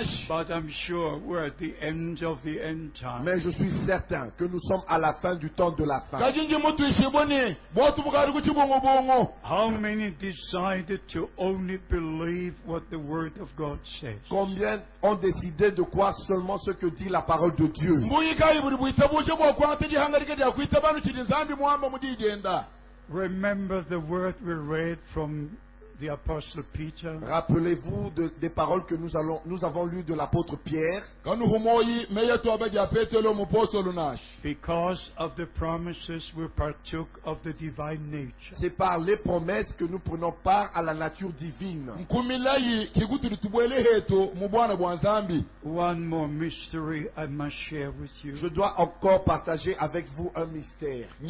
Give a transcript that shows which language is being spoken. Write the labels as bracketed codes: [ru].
[en] But I'm sure we're at the end of the end time. [fr] Mais je suis certain que nous sommes à la fin du temps de la fin. [en] How many decided to only believe what the word of God says. [fr] Combien ont décidé de croire seulement ce que dit la parole de Dieu? [en] Remember the word we read from the Apostle Peter. [fr] Rappelez-vous des paroles que nous avons lues de l'apôtre Pierre. [en] Because of the promises we partook of the divine nature. [fr] C'est par les promesses que nous prenons part à la nature divine. [en] One more mystery I must share with you. [fr] Je dois encore partager avec vous un mystère.